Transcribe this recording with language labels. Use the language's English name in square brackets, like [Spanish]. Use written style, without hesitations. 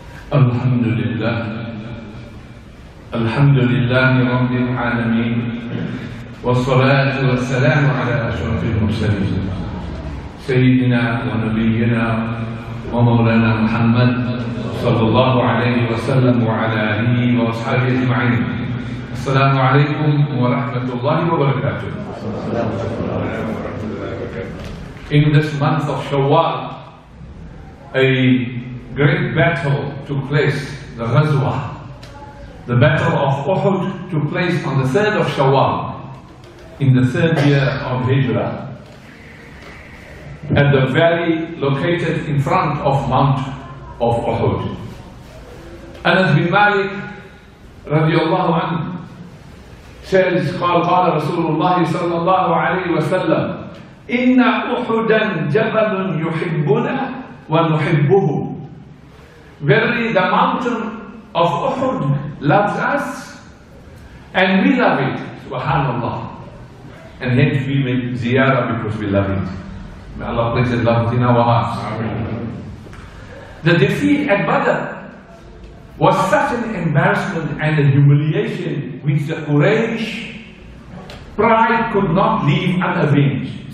[Arabic] الحمد لله الحمد لله رب العالمين والصلاة والسلام على أشرف المرسلين سيدنا ونبينا ومولانا محمد صلى الله عليه وسلم وعلى آله وأصحابه أجمعين. السلام عليكم ورحمة الله وبركاته. [English] In this month of Shawwal, a great battle took place, the Ghazwa. The battle of Uhud took place on the 3rd of Shawwal, in the 3rd year of Hijrah, at the valley located in front of Mount of Uhud. Anas bin Malik radiallahu anhu says, [Arabic] قال رسول الله صلى الله عليه وسلم إن أحدا جبل يحبنا ونحبه. [English] Verily, the mountain of Uhud loves us and we love it, subhanAllah. And hence we make ziyarah because we love it. May Allah place His love in our hearts. Amen. The defeat at Badr was such an embarrassment and a humiliation which the Quraysh pride could not leave unavenged.